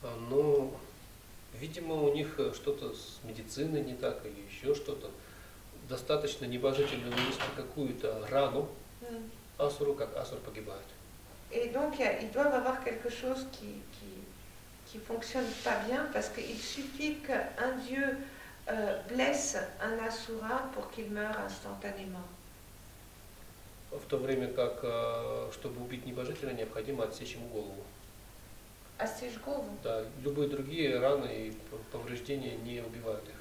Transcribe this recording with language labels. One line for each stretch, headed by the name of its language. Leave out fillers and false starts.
Russian: Ну, видимо, у них что-то с медициной не так или еще что-то. Достаточно небожителю нанести какую-то рану асуру, как асур погибает.
French: Et donc ils doivent avoir quelque chose qui fonctionne pas bien parce qu'il suffit qu'un dieu blesse un Asura pour qu'il meure instantanément.
Russian: В то время как, чтобы убить небожителя, необходимо отсечь ему голову. Отсечь голову? Да, любые другие раны и повреждения не убивают их.